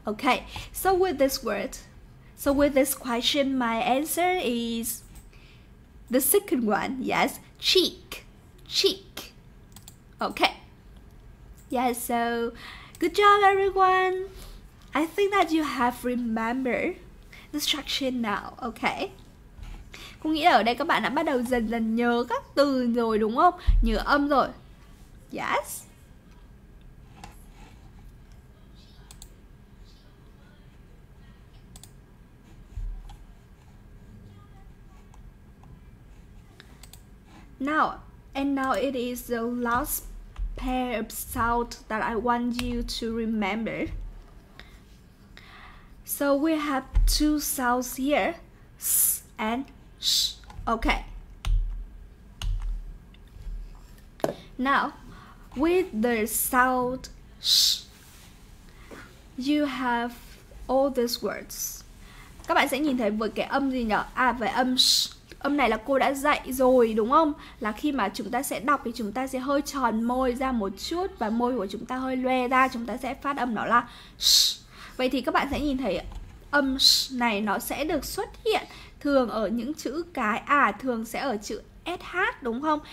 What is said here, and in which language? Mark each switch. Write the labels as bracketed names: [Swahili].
[English] Okay, so with this word, so with this question, my answer is the second one. Yes, cheek, cheek. Okay. Yeah, so good job everyone. I think that you have remembered the structure now, okay? [Vietnamese] Cô nghĩ là ở đây các bạn đã bắt đầu dần dần nhớ các từ rồi đúng không? Nhớ âm rồi. Yes. [English] Now it is the last pair of sound that I want you to remember. So we have two sounds here, s and sh. Okay. Now, with the sound sh, you have all these words. [Vietnamese] Các bạn sẽ nhìn thấy với cái âm gì nhỉ? À, với âm sh. Âm này là cô đã dạy rồi đúng không? Là khi mà chúng ta sẽ đọc thì chúng ta sẽ hơi tròn môi ra một chút và môi của chúng ta hơi loe ra, chúng ta sẽ phát âm nó là sh. Vậy thì các bạn sẽ nhìn thấy âm sh này nó sẽ được xuất hiện thường ở những chữ cái à, thường sẽ ở chữ sh đúng không?